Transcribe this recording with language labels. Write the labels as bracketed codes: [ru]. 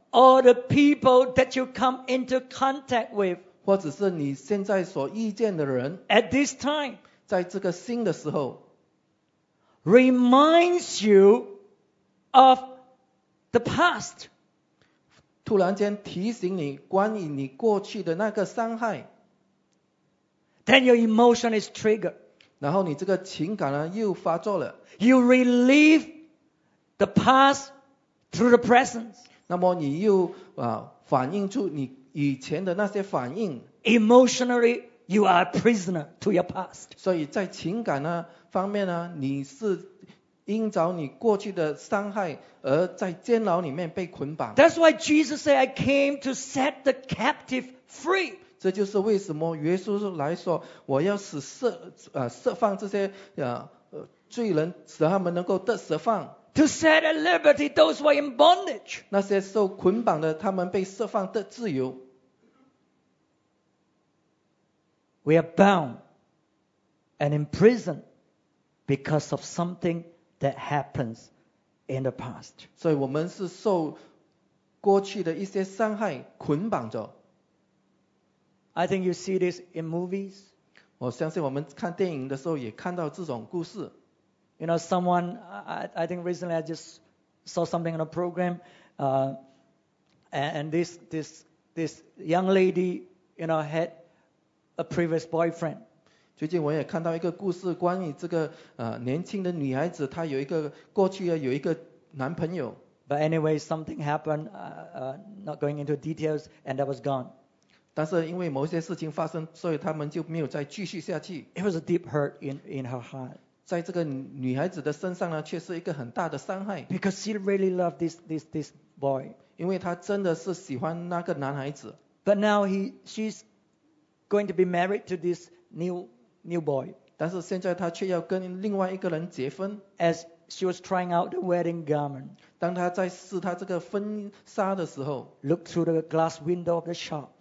[en] or the people that you come into contact with, [zh] 或者是你现在所遇见的人 [en] at this time. [zh] 在这个新的时候 [en] reminds you of the past. [zh] 突然间提醒你关于你过去的那个伤害 [en] then your emotion is triggered. [zh] 然后你这个情感呢又发作了 [en] you relive the past through the present. [zh] 那么你又反映出你以前的那些反应 [en] emotionally. You are a prisoner to your past. [zh] 所以在情感呢方面呢，你是因着你过去的伤害而在监牢里面被捆绑。 [en] That's why Jesus said, "I came to set the captive free." [zh] 这就是为什么耶稣来说，我要使释放这些罪人，使他们能够得释放。 [en] To set at liberty those who are in bondage. [zh] 那些受捆绑的，他们被释放得自由。 [en] We are bound and imprisoned because of something that happens in the past. [zh] 所以我们是受过去的一些伤害捆绑着。 [en] I think you see this in movies. [zh] 我相信我们看电影的时候也看到这种故事。 [en] You know, someone, I think recently I just saw something in a program, and this young lady, you know, had. A previous boyfriend. [zh] 最近我也看到一个故事，关于这个年轻的女孩子，她有一个过去啊，有一个男朋友。 [en] But anyway, something happened. Not going into details, and that was gone. [zh] 但是因为某些事情发生，所以他们就没有再继续下去。 [en] It was a deep hurt in her heart. [zh] 在这个女孩子的身上呢，却是一个很大的伤害。 [en] Because she really loved this boy. [zh] 因为她真的是喜欢那个男孩子。 [en] But now she's going to be married to this new boy. [zh] 但是现在她却要跟另外一个人结婚。 [en] As she was trying out the wedding garment. [zh] 当她在试她这个婚纱的时候。 [en] Look through the glass window of the shop.